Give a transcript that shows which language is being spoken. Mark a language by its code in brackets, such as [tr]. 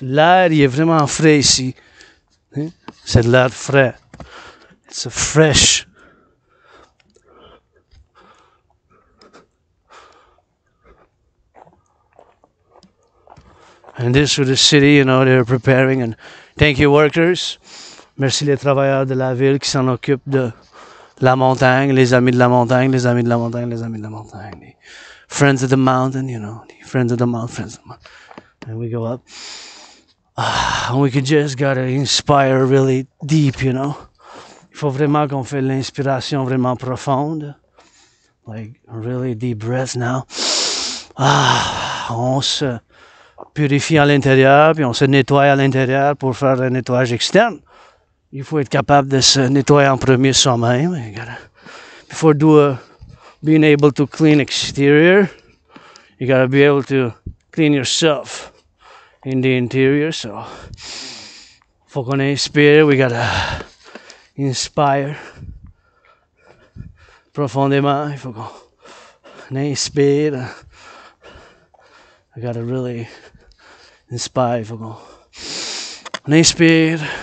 [fr] L'air est vraiment frais ici. C'est l'air frais. [en] It's a fresh. And this with the city, you know, they're preparing. And thank you, workers. [fr] Merci les travailleurs de la ville qui s'en occupent de la montagne, les amis de la montagne, les amis de la montagne, les amis de la montagne. [en] The friends of the mountain, you know, the friends of the mountain, friends of the mountain. And we go up. And we could just gotta inspire really deep, you know. [fr] Il faut vraiment qu'on fait l'inspiration vraiment profonde. [en] Like, really deep breath now. [fr] On se purifie à l'intérieur, puis on se nettoie à l'intérieur pour faire un nettoyage externe. Il faut être capable de se nettoyer en premier soi-même. [en] You gotta, before do a, being able to clean exterior, you gotta be able to clean yourself in the interior. [fr] So, faut qu'on inspire, [en] we gotta inspire [fr] profondément. Il faut qu'on inspire. [en] I gotta really inspire. [fr] Il faut qu'on inspire.